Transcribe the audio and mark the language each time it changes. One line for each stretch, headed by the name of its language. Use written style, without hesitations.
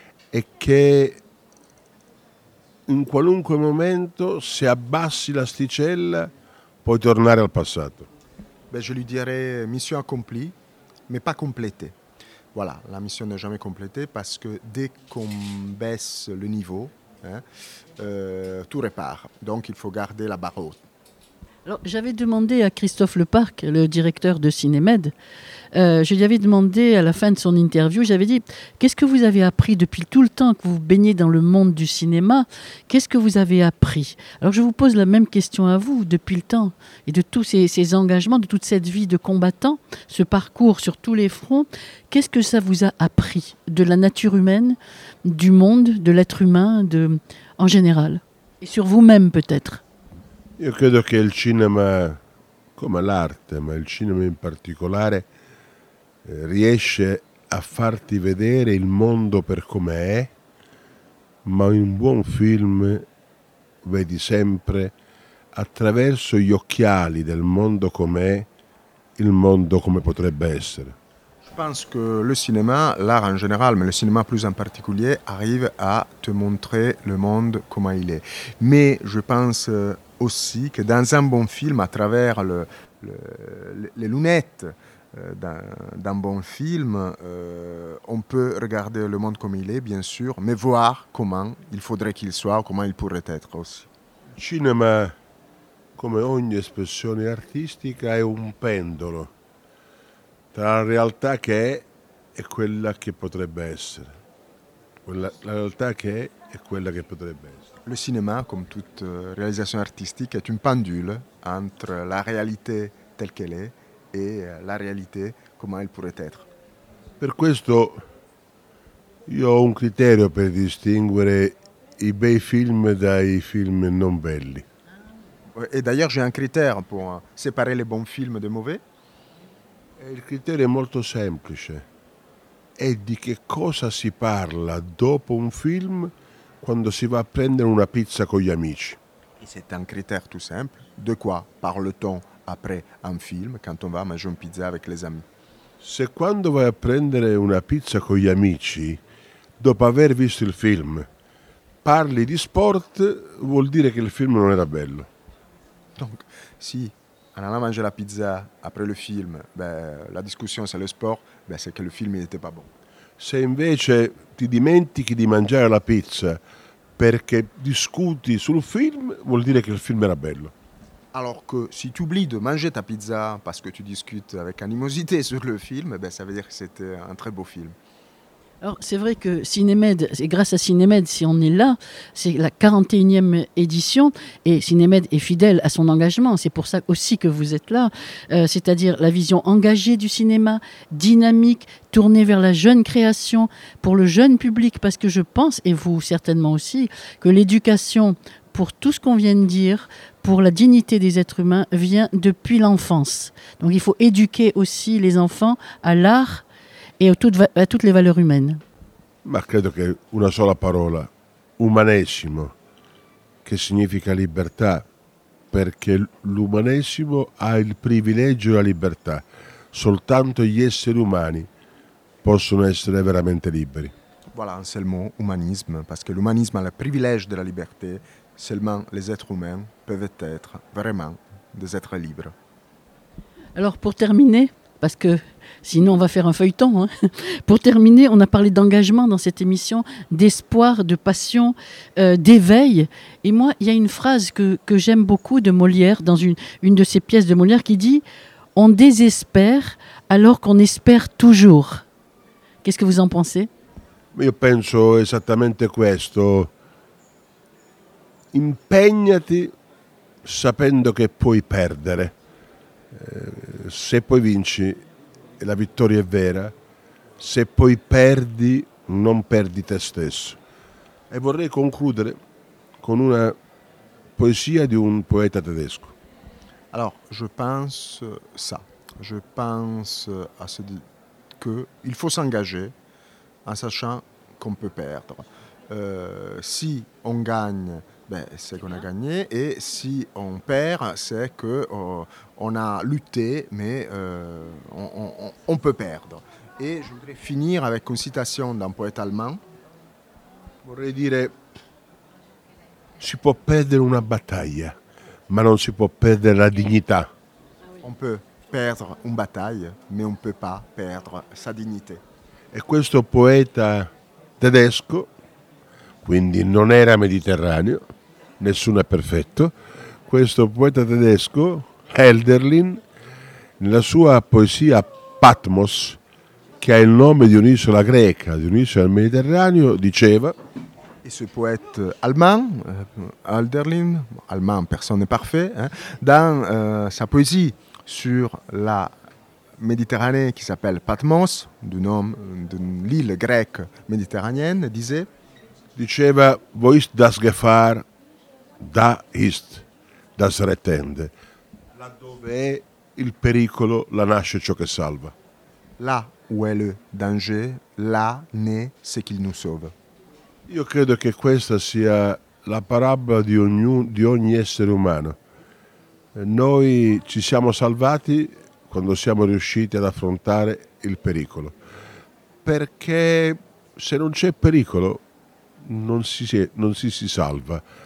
Italian: E che in qualunque momento, se abbassi l'asticella, puoi tornare al passato.
French: Beh, je lui dirais mission accomplie. Mais pas complété. Voilà, la mission n'est jamais complétée parce que dès qu'on baisse le niveau, tout repart. Donc il faut garder la barre haute. Alors j'avais demandé à Christophe Leparc, le directeur de Cinémed, je lui avais demandé à la fin de son interview, j'avais dit, qu'est-ce que vous avez appris depuis tout le temps que vous baignez dans le monde du cinéma? Qu'est-ce que vous avez appris? Alors je vous pose la même question à vous, depuis le temps, et de tous ces engagements, de toute cette vie de combattant, ce parcours sur tous les fronts, qu'est-ce que ça vous a appris de la nature humaine, du monde, de l'être humain, en général, et sur vous-même peut-être?
Italian: Io credo che il cinema, come l'arte, ma il cinema in particolare, riesce a farti vedere il mondo per come è, ma in un buon film vedi sempre attraverso gli occhiali del mondo com'è, il mondo come potrebbe essere.
French: Je pense que le cinéma, l'art en général, mais le cinéma plus en particulier, arrive à te montrer le monde comme il est. Mais je pense aussi que dans un bon film, à travers les lunettes d'un bon film, on peut regarder le monde comme il est, bien sûr, mais voir comment il faudrait qu'il soit, comment il pourrait être aussi. Le cinéma, comme
Italian: ogni espressione artistica, è un pendolo tra la realtà che è e quella che potrebbe essere. La realtà che è e quella che potrebbe essere.
French: Le cinéma, comme toute réalisation artistique, est une pendule entre la réalité telle qu'elle est et la réalité comment elle pourrait être.
Italian: Per questo io ho un criterio per distinguere i bei film dai film non belli.
French: Et d'ailleurs, j'ai un critère pour séparer les bons films des mauvais.
Italian: Il criterio è molto semplice. È di che cosa si parla dopo un film quando si va a prendere una pizza con gli amici.
French: Et c'est un critère tout simple. De quoi parle-t-on après un film quand on va a
Italian: mangiare una pizza
French: avec les amis?
Italian: Se quando vai a prendere una pizza con gli amici, dopo aver visto il film, parli di sport, vuol dire che il film non era bello.
French: Donc, si en allant manger la pizza après le film, la discussion c'est le sport, c'est que le film n'était pas bon.
Italian: Se invece ti dimentichi di mangiare la pizza perché discuti sul film, vuol dire che il film era bello.
French: Alors que si tu oublies de manger ta pizza parce que tu discutes avec animosité sur le film, ça veut dire que c'était un très beau film. Alors, c'est vrai que Cinémed, c'est grâce à Cinémed si on est là, c'est la 41e édition et Cinémed est fidèle à son engagement. C'est pour ça aussi que vous êtes là, c'est-à-dire la vision engagée du cinéma, dynamique, tournée vers la jeune création, pour le jeune public, parce que je pense, et vous certainement aussi, que l'éducation, pour tout ce qu'on vient de dire, pour la dignité des êtres humains, vient depuis l'enfance. Donc il faut éduquer aussi les enfants à l'art, et à toutes les valeurs humaines.
Italian: Ma credo che una sola parola, umanesimo, che significa libertà, perché l'umanesimo ha il privilegio e la libertà. Soltanto gli esseri umani possono essere veramente liberi.
French: Voilà, c'est le mot humanisme, parce que l'humanisme a le privilège de la liberté, seulement les êtres humains peuvent être vraiment des êtres libres. Alors pour terminer, parce que sinon on va faire un feuilleton, hein. Pour terminer, on a parlé d'engagement dans cette émission, d'espoir, de passion, d'éveil. Et moi, il y a une phrase que j'aime beaucoup de Molière, dans une de ses pièces de Molière, qui dit « On désespère alors qu'on espère toujours ». Qu'est-ce que vous en pensez ?
Italian: Io penso esattamente questo. Impegnati sapendo che puoi perdere. Se poi vinci, la vittoria è vera. Se poi perdi, non perdi te stesso. E vorrei concludere con una poesia di un poeta tedesco.
French: Alors, je pense ça. Je pense à ce que il faut s'engager en sachant qu'on peut perdre. Si on gagne, ben, c'est qu'on a gagné, et si on perd, c'est que on a lutté, mais on peut perdre. Et je voudrais finir avec une citation d'un poète allemand. Je voudrais dire,
Italian: si può perdere una battaglia, ma non si può perdere la dignità.
French: On peut perdre une bataille, mais on peut pas perdre sa dignité.
Italian: Et questo poeta tedesco, quindi non era mediterraneo, nessuno è perfetto, questo poeta tedesco, Hölderlin, nella sua poesia Patmos, che ha il nome di un'isola greca, di un'isola del Mediterraneo, diceva...
French: E ce poète allemand, Hölderlin, allemand, personne parfait, hein, dans sa poesia sur la Méditerranée qui s'appelle Patmos, du nom de l'île grecque méditerranéenne, disait.
Italian: Diceva,
German: wo ist das Gefahr, da ist das Rettende.
French: Là où est
Italian: il pericolo,
French: là
Italian: nasce ciò che salva.
French: Là où est le danger, là naît ce qu'il nous sauve.
Italian: Io credo che questa sia la parabola di ogni essere umano. Noi ci siamo salvati quando siamo riusciti ad affrontare il pericolo. Perché se non c'è pericolo, non si salva.